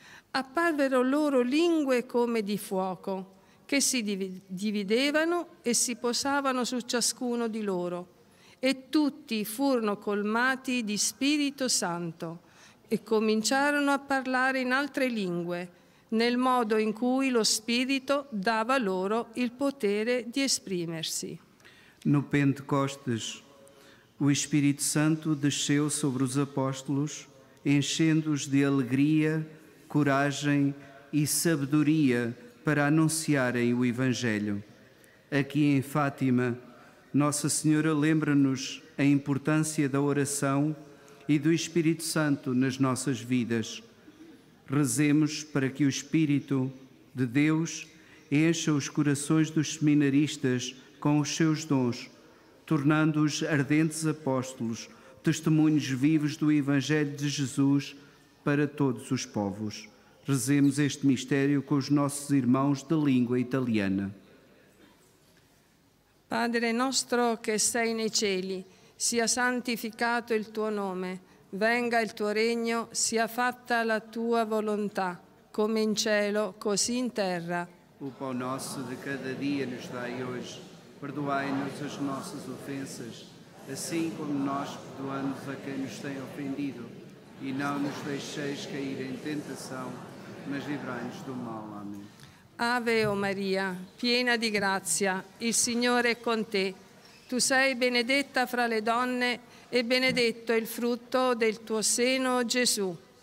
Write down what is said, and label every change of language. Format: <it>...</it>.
<it>Apparvero loro lingue come di fuoco, che si dividevano e si posavano su ciascuno di loro, e tutti furono colmati di Spirito Santo e cominciarono a parlare in altre lingue, nel modo in cui lo Spirito dava loro il potere di esprimersi.</it> <pt>No Pentecostes, o Espírito Santo desceu sobre os apóstolos, enchendo-os de alegria, coragem e sabedoria para anunciarem o Evangelho. Aqui em Fátima, Nossa Senhora lembra-nos a importância da oração e do Espírito Santo nas nossas vidas. Rezemos para que o Espírito de Deus encha os corações dos seminaristas com os seus dons, tornando-os ardentes apóstolos, testemunhos vivos do Evangelho de Jesus para todos os povos. Rezemos este mistério com os nossos irmãos de língua italiana.</pt> <it>Padre nostro che sei nei cieli, sia santificato il tuo nome, venga il tuo regno, sia fatta la tua volontà, come in cielo, così in terra.</it> <pt>O pão nosso de cada dia nos dai hoje, perdoai-nos as nossas ofensas, assim como nós perdoamos a quem nos tem ofendido. E não nos deixeis cair em tentação, mas livrai-nos do mal. Amém.</pt> <it>Ave o Maria, piena di grazia, il Signore è con te. Tu sei benedetta fra le donne e benedetto il frutto del tuo seno, Gesù.</it>